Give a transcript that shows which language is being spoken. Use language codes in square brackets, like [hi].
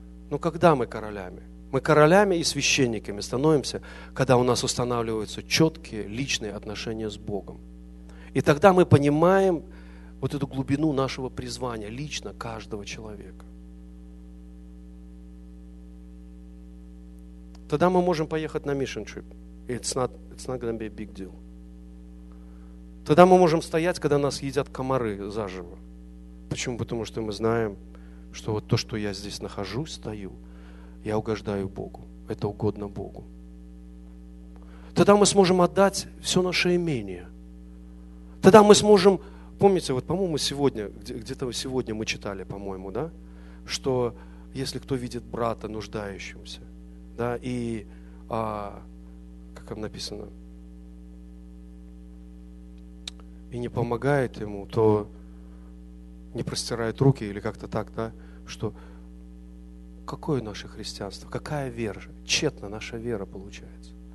[ru] Но когда мы королями? Мы королями и священниками становимся, когда у нас устанавливаются четкие личные отношения с Богом. И тогда мы понимаем вот эту глубину нашего призвания лично каждого человека. Тогда мы можем поехать на mission trip. [en] It's not going to be a big deal. [ru] Тогда мы можем стоять, когда нас едят комары заживо. Почему? Потому что мы знаем, что вот то, что я здесь нахожусь, стою, я угождаю Богу. Это угодно Богу. Тогда мы сможем отдать все наше имение. Тогда мы сможем, помните, вот, по-моему, сегодня, где-то сегодня мы читали, по-моему, да, что если кто видит брата нуждающимся, да, и как там написано, и не помогает ему, то не простирает руки или как-то так, да, что какое наше христианство, какая вера, тщетна наша вера получается.